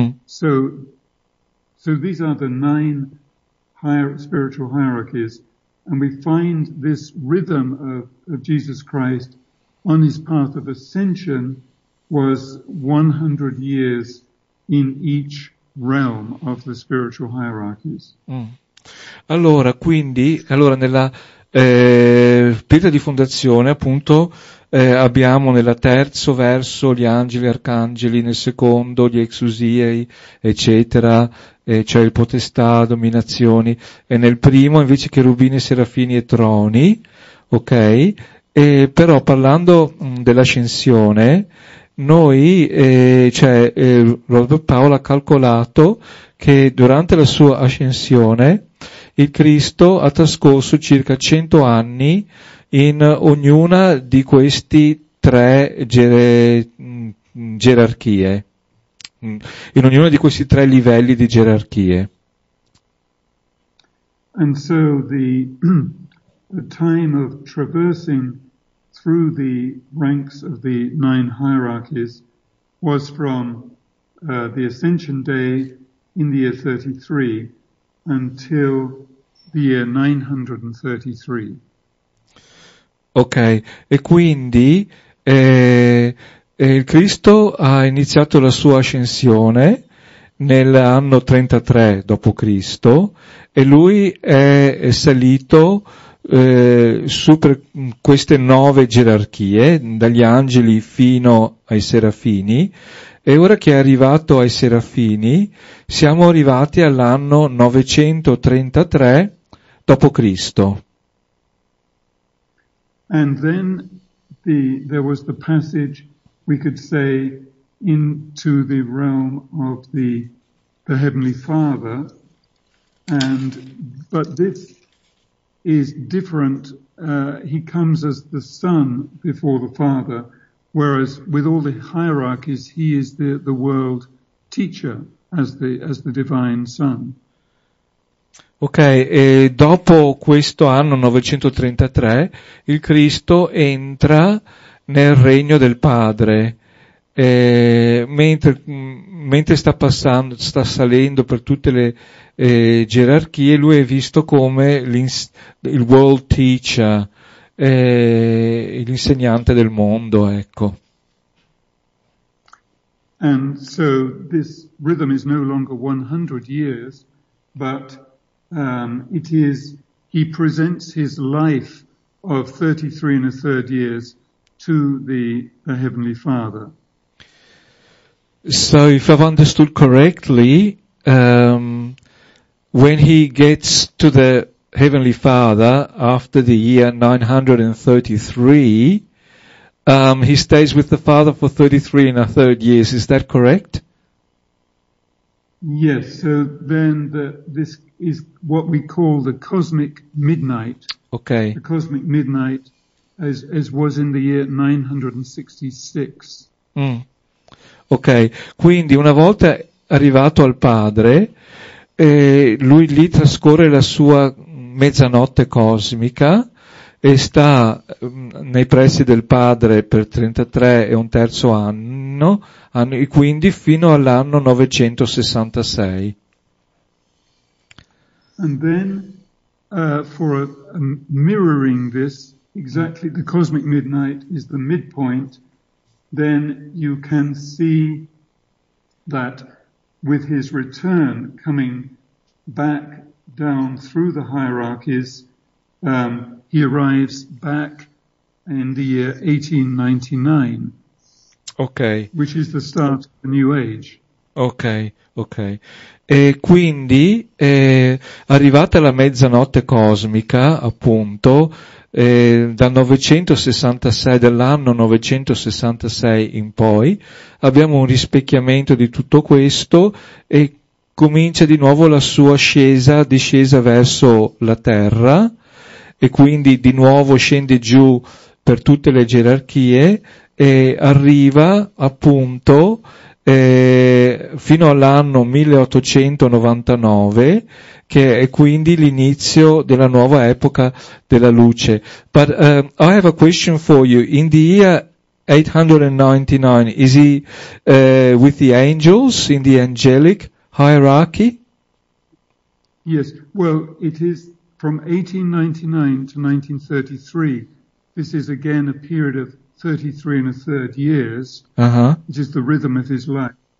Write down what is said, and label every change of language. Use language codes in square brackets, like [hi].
[en] So these are the nine spiritual hierarchies. And we find this rhythm of Jesus Christ on his path of ascension was 100 years in each realm of the spiritual hierarchies. [it] Allora nella pietra di fondazione, appunto, abbiamo nel terzo verso gli angeli, arcangeli, nel secondo gli exousiai, eccetera, cioè il potestà, dominazioni, e nel primo invece cherubini, serafini e troni, ok? Però parlando dell'ascensione, Robert Paolo ha calcolato che durante la sua ascensione il Cristo ha trascorso circa 100 anni in ognuna di questi tre gerarchie, in ognuno di questi tre livelli di gerarchie. [en] And so the time of traversing through the ranks of the nine hierarchies was from the ascension day in the year 33 until the year 933. [it] Ok, e quindi il Cristo ha iniziato la sua ascensione nell'anno 33 dopo Cristo e lui è salito su per queste nove gerarchie, dagli angeli fino ai serafini, e ora che è arrivato ai serafini siamo arrivati all'anno 933 dopo Cristo. [en] And then there was the passage, we could say, into the realm of the Heavenly Father. But this is different. He comes as the Son before the Father, whereas with all the hierarchies, he is the world teacher as the divine Son. [it] Ok, e dopo questo anno 933 il Cristo entra nel regno del Padre, mentre sta salendo per tutte le gerarchie, lui è visto come il [en] world teacher, [it] l'insegnante del mondo, ecco. [en] And so this rhythm is no longer 100 years, but it is, he presents his life of 33 and a third years to the Heavenly Father. So if I've understood correctly, when he gets to the Heavenly Father after the year 933, he stays with the Father for 33 and a third years. Is that correct? Yes, so then this is what we call the cosmic midnight. Okay. The cosmic midnight as was in the year 966. [it] Okay, quindi una volta arrivato al Padre, lui lì trascorre la sua mezzanotte cosmica e sta nei pressi del Padre per 33 e un terzo anno, e quindi fino all'anno 966. [en] And then, for mirroring this, exactly the cosmic midnight is the midpoint, then you can see that with his return coming back down through the hierarchies, he arrives back in the year 1899. Okay. Which is the start of the new age. Ok. [it] E quindi, arrivata la mezzanotte cosmica, appunto, dal 966, dell'anno 966 in poi, abbiamo un rispecchiamento di tutto questo e comincia di nuovo la sua ascesa, discesa verso la Terra, e quindi di nuovo scende giù per tutte le gerarchie e arriva, appunto, fino all'anno 1899, che è quindi l'inizio della nuova epoca della luce. [en] But I have a question for you. In the year 899, is he with the angels in the angelic hierarchy? Yes, well, it is from 1899 to 1933. This is again a period of 33 and a third years, which is the rhythm of his life.